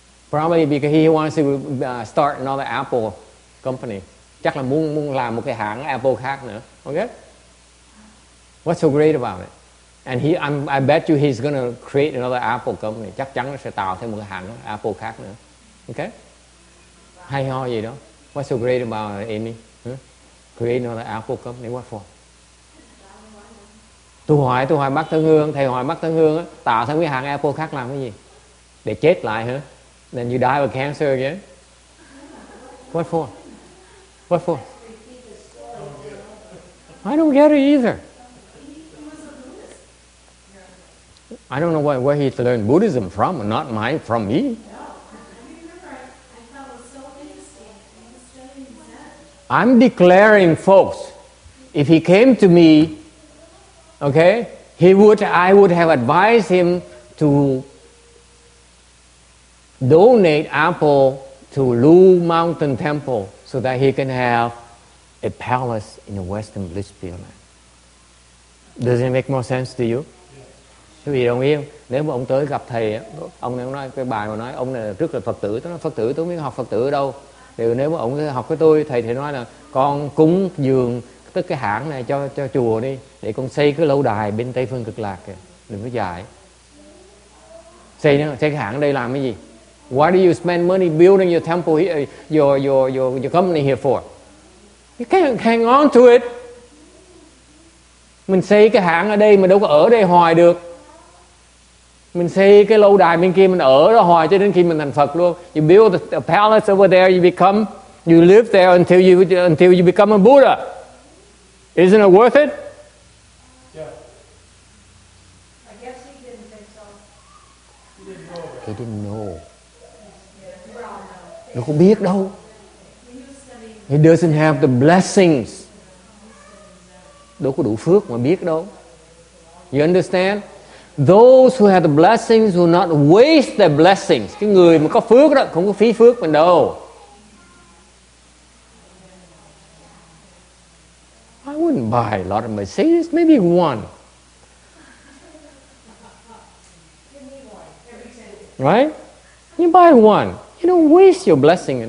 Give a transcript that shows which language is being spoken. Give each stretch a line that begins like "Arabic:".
English: Probably because he wants to start another Apple company.
Vietnamese: Chắc là muốn làm một cái hãng Apple khác nữa.
English: Okay? What's so great about it? And I bet you he's going to create another Apple company.
Vietnamese: Chắc chắn sẽ tạo thêm một cái hãng Apple khác nữa.
English: Okay? Wow.
Vietnamese: Hay ho gì đó.
English: What's so great about it, Amy? Create another Apple company, what for?
Vietnamese: Tôi hỏi Bác Tân Hương, thầy hỏi Bác Tân Hương, tạo thêm cái hãng Apple khác làm cái gì? Để chết lại hả?
English: Then you die of cancer again? What for? I don't get it either. I don't know where he learned Buddhism from, not mine, from me. I'm declaring, folks, if he came to me, okay, I would have advised him to donate Apple to Lu Mountain Temple so that he can have a palace in the Western Blissfield. Does it make more sense to you?
Vietnamese: Quý vị đồng ý không? Nếu mà ông tới gặp thầy, ông nói cái bài mà nói ông này trước là Phật tử, tôi nói Phật tử, tôi không biết học Phật tử ở đâu. Thì nếu mà ông học với tôi, thầy thì nói là con cúng dường tức cái hãng này cho chùa đi, để con xây cái lâu đài bên Tây Phương Cực Lạc kìa, đừng có dài. Xây cái hãng ở đây làm cái gì?
English: Why do you spend money building your temple here, your company here for? You can't hang on to it.
Vietnamese: Mình xây cái hãng ở đây mà đâu có ở đây hoài được. Mình xây cái lâu đài bên kia, mình ở đó hoài cho đến khi mình thành Phật luôn.
English: You build a palace over there, you live there until you become a Buddha. Isn't it worth it? Yeah. I guess he didn't think so. He didn't know.
Vietnamese: Nó không biết đâu.
English: He doesn't have the blessings.
Vietnamese: Đâu có đủ phước mà biết đâu.
English: You understand? Those who have the blessings will not waste their blessings.
Vietnamese: Cái người mà có phước đó không có phí phước mình đâu.
English: I wouldn't buy a lot of Mercedes, maybe one. Right? You buy one. You don't waste your blessing.